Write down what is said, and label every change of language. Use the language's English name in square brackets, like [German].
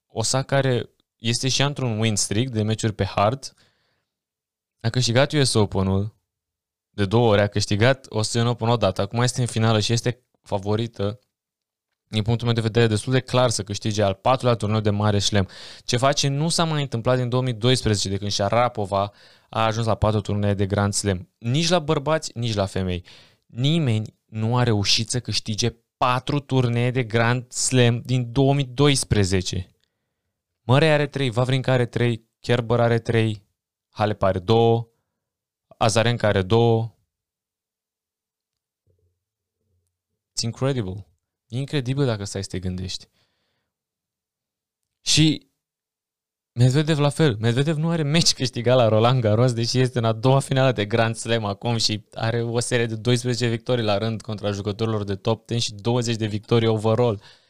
[Romanian] Osaka este și într-un [English] win streak [Romanian] de meciuri pe hard, a câștigat US Open-ul de două ori, a câștigat Australian Open o dată, acum este în finală și este favorită, din punctul meu de vedere, destul de clar să câștige al patrulea turneu de mare șlem. Ce face nu s-a mai întâmplat din 2012, de când Sharapova a ajuns la 4 turnee de Grand Slam. Nici la bărbați, nici la femei. Nimeni nu a reușit să câștige 4 turnee de Grand Slam din 2012. Murray are 3, Wawrinka are 3, Kerber are 3, Halep are 2, Azarenka are 2. [English] It's incredible. [Romanian] Incredibil dacă stai să te gândești. Și Medvedev la fel. Medvedev nu are meci câștigat la Roland Garros, deși este în a doua finală de Grand Slam acum și are o serie de 12 victorii la rând contra jucătorilor de top 10 și 20 de victorii overall.